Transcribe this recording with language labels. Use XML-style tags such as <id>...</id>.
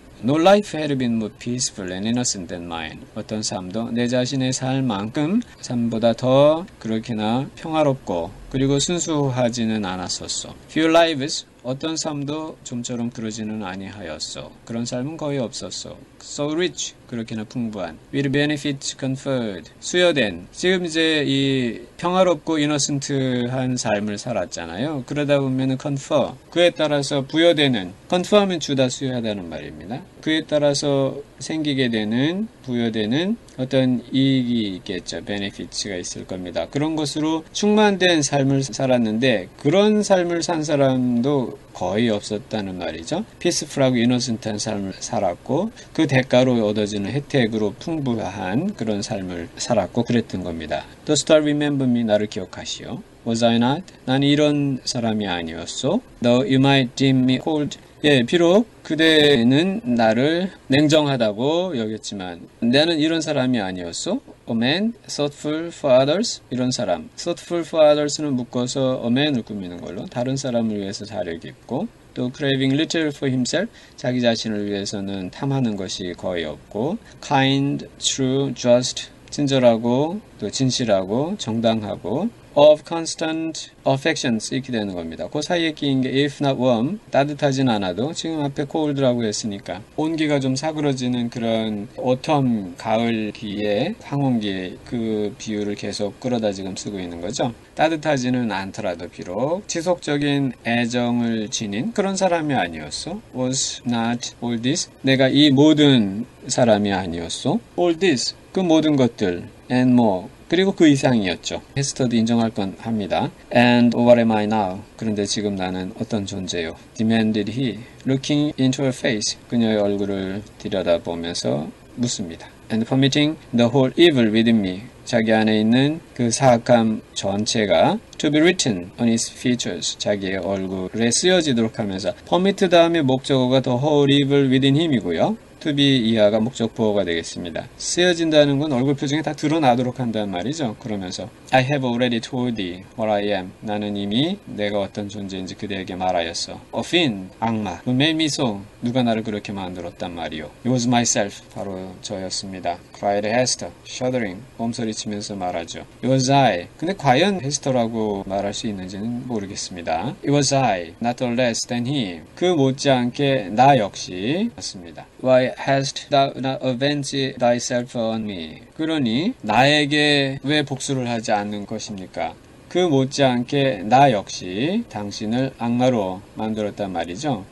<en>No life had been more peaceful and innocent than mine.</en> <ko>어떤 삶도 내 자신의 삶만큼 삶보다 더 그렇게나 평화롭고 그리고 순수하지는 않았었어.</ko> <en>Few lives,</en> <ko>어떤 삶도 좀처럼 그러지는 아니하였어. 그런 삶은 거의 없었어.</ko> <en>So rich,</en> <ko>그렇게나 풍부한.</ko> <en>With benefits conferred,</en> <ko>수여된. 지금 이제 이 평화롭고 이너센트한 삶을 살았잖아요. 그러다 보면은 confer, 그에 따라서 부여되는. confer 하면 주다 수여하다는 말입니다. 그에 따라서 생기게 되는, 부여되는 어떤 이익이 있겠죠. benefits가 있을 겁니다. 그런 것으로 충만된 삶을 살았는데, 그런 삶을 산 사람도 거의 없었다는 말이죠. 피스풀하고 이노센트한 삶을 살았고 그 대가로 얻어지는 혜택으로 풍부한 그런 삶을 살았고 그랬던 겁니다.</ko> <en>The star remember me,</en> <ko>나를 기억하시오.</ko> <en>Was I not?</en> <ko>난 이런 사람이 아니었소.</ko> <en>Though you might deem me cold.</en> <ko>예, 비록 그대는 나를 냉정하다고 여겼지만 나는 이런 사람이 아니었소.</ko> <en>A man thoughtful for others.</en> <ko>이런 사람.</ko> <en>Thoughtful for others</en> <ko>는 묶어서 a man을 꾸미는 걸로 다른 사람을 위해서 자려 깊고 또</ko> <en>craving little for himself.</en> <ko>자기 자신을 위해서는 탐하는 것이 거의 없고</ko> <en>kind, true, just.</en> <ko>친절하고 또 진실하고 정당하고</ko> <en>of constant affections</en> <ko>이렇게 되는 겁니다. 그 사이에 끼인 게</ko> <en>if not warm</en> <ko>따뜻하진 않아도 지금 앞에 cold라고 했으니까 온기가 좀 사그러지는 그런 autumn 가을기에 황혼기에 그 비유를 계속 끌어다 지금 쓰고 있는 거죠. 따뜻하지는 않더라도 비록 지속적인 애정을 지닌 그런 사람이 아니었어.</ko> <en>was not all this</en> <ko>내가 이 모든 사람이 아니었어.</ko> <en>all this</en> <ko>그 모든 것들</ko> <en>and more</en> <ko>그리고 그 이상이었죠. 헤스터도 인정할 건 합니다.</ko> <en>And what am I now?</en> <ko>그런데 지금 나는 어떤 존재요?</ko> <en>Demanded he, looking into her face.</en> <ko>그녀의 얼굴을 들여다보면서 묻습니다.</ko> <en>And permitting the whole evil within me.</en> <ko>자기 안에 있는 그 사악함 전체가</ko> <en>to be written on his features.</en> <ko>자기의 얼굴에 쓰여지도록 하면서 permit 다음에 목적어가</ko> <en>the whole evil within him</en> <ko>이고요. to be 이하가 목적 보호가 되겠습니다. 쓰여진다는 건 얼굴 표정에 다 드러나도록 한다는 말이죠. 그러면서</ko> <en>I have already told thee what I am.</en> <ko>나는 이미 내가 어떤 존재인지 그대에게 말하였어.</ko> <en>A fiend,</en> <ko>악마.</ko> <en>Who made me so?</en> <ko>누가 나를 그렇게 만들었단 말이오.</ko> <en>It was myself.</en> <ko>바로 저였습니다.</ko> <en>Cried Hester, shuddering.</en> <ko>몸서리치면서 말하죠.</ko> <en>It was I.</en> <ko>근데 과연 헤스터라고 말할 수 있는지는 모르겠습니다.</ko> <en>It was I, not the less than he.</en> <ko>그 못지않게 나 역시 맞습니다.</ko> <en>Why hast thou not avenged thyself on me?</en> <ko>그러니 나에게 왜 복수를 하지 않는 것입니까? 그 못지않게 나 역시 당신을 악마로 만들었단 말이죠.</ko>